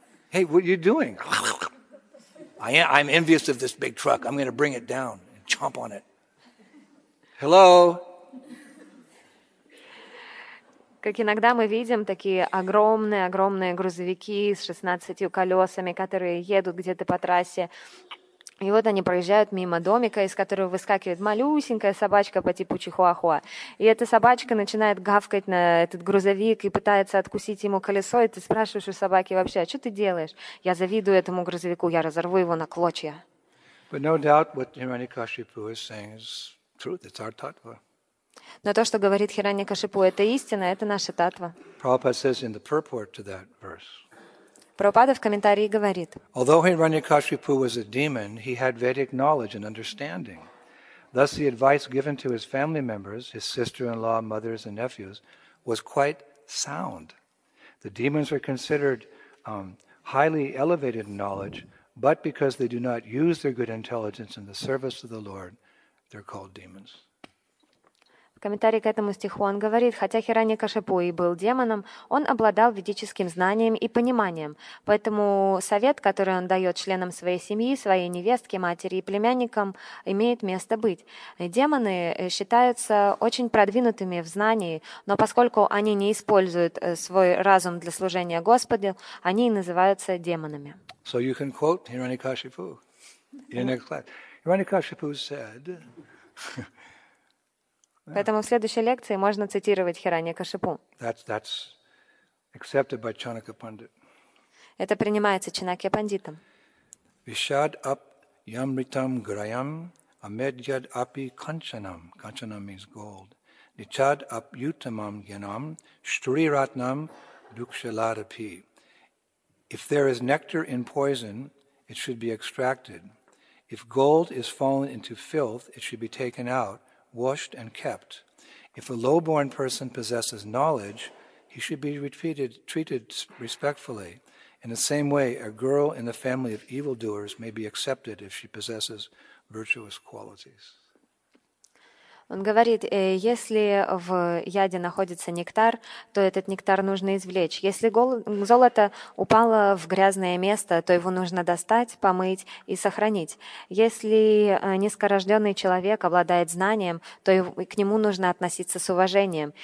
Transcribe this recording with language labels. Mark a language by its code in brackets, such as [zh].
[en] Hey, what are you doing? I'm envious of this big truck. I'm going to bring it down and chomp on it. Hello? [ru] Как иногда мы видим такие огромные грузовики с 16 колесами, которые едут где-то по трассе. И вот они проезжают мимо домика, из которого выскакивает малюсенькая собачка по типу чихуахуа. И эта собачка начинает гавкать на этот грузовик и пытается откусить ему колесо. И ты спрашиваешь у собаки вообще, а что ты делаешь? Я завидую этому грузовику, я разорву его на клочья. [en] But no doubt what Hiranyakashipu is saying is truth. It's our tattva. [ru] Но то, что говорит Хираньякашипу, это истина, это наша татва. [en] Prabhupada says in the purport to that verse. [ru] Прабхупада в комментарии говорит: [en] Although Hiranyakashipu was a demon, he had Vedic knowledge and understanding. Thus the advice given to his family members, his sister-in-law, mothers and nephews, was quite sound. The demons were considered highly elevated knowledge, but because they do not use their good intelligence in the service of the Lord, they're called demons. [ru] Комментарий к этому стиху он говорит, хотя Хираньякашипу и был демоном, он обладал ведическим знанием и пониманием. Поэтому совет, который он дает членам своей семьи, своей невестке, матери и племянникам, имеет место быть. Демоны считаются очень продвинутыми в знании, но поскольку они не используют свой разум для служения Господу, они и называются демонами. [en] So you can quote Hiranyakashipu in the next class. Hiranyakashipu said... [ru] Поэтому в следующей лекции можно цитировать Хираньякашипу. [en] That's accepted by Chanakya Pandit. [ru] Это принимается Чанакья Пандитом. [sa] Vishad ap yamritam grayam amedyad api kanchanam. [en] Kanchanam means gold. [sa] Nichad ap yutamam yanam shtri ratnam dukshaladapi. [en] If there is nectar in poison, it should be extracted. If gold is fallen into filth, it should be taken out, washed and kept. If a low-born person possesses knowledge, he should be treated respectfully. In the same way, a girl in the family of evildoers may be accepted if she possesses virtuous qualities. [ru] Он говорит, если в яде находится нектар, то этот нектар нужно извлечь. Если золото упало в грязное место, то его нужно достать, помыть и сохранить. Если низкорожденный человек обладает знанием, то к нему нужно относиться с уважением.